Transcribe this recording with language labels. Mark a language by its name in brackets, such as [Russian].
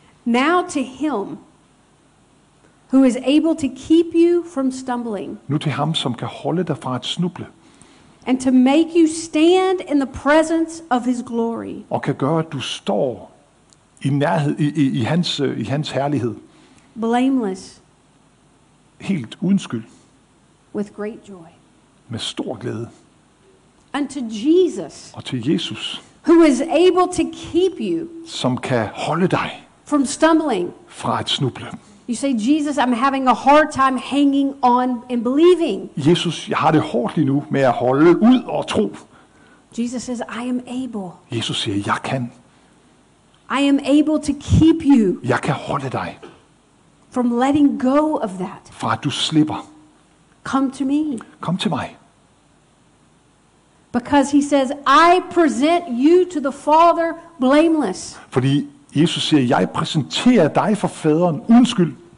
[English] Now to him who is able to keep you from stumbling. [Danish] Nu til ham som kan holde dig fra at snuble. [English] And to make you stand in the presence of his glory. [Danish] Og kan gøre at du står i nærhed i hans herlighed. [English] Blameless. [Danish] Helt uden skyld. [English] With great joy. [Danish] Med stor glæde. [English] Unto Jesus. [Danish] Og til Jesus. [English] Who is able to keep you. [Danish] Som kan holde dig. [English] From stumbling. [Danish] Fra at snuble. [English] You say, Jesus, I'm having a hard time hanging on and believing. [Danish] Jesus, jeg har det hårdt lige nu med at holde ud og tro. [English] Jesus says, I am able. [Danish] Jesus siger, jeg kan. [English] I am able to keep you. [Danish] Jeg kan holde dig. [English] From letting go of that. [Danish] Fra at du slipper. [English] Come to me. [Danish] Kom til mig. [English] Because he says, I present you to the Father blameless. [Danish] Fordi Jesus siger, jeg præsenterer dig for faderen uden skyld.